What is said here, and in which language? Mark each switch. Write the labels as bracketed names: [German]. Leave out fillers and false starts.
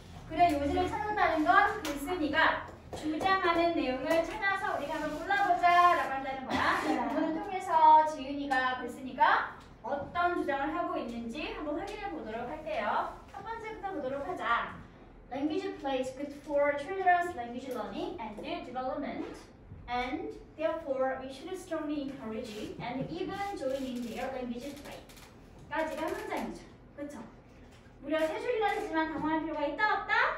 [Korean] 그래 요즘 찾는다는 건 글쓴이가 주제 맞는 내용을 찾아서 우리가 한번 골라보자 라고 한다는 거야. 그거를 통해서 지은이가 글쓴이가 어떤 주장을 하고 있는지 한번 확인해 보도록 할게요. 첫 번째부터 보도록 하자. [English] Language plays good for children's language learning and their development. And therefore, we should strongly encourage it and even join in their language play. [Korean] 까지가 한 문장이죠. 그쵸? 무려 세 줄이나 되지만 당황할 필요가 있다, 없다?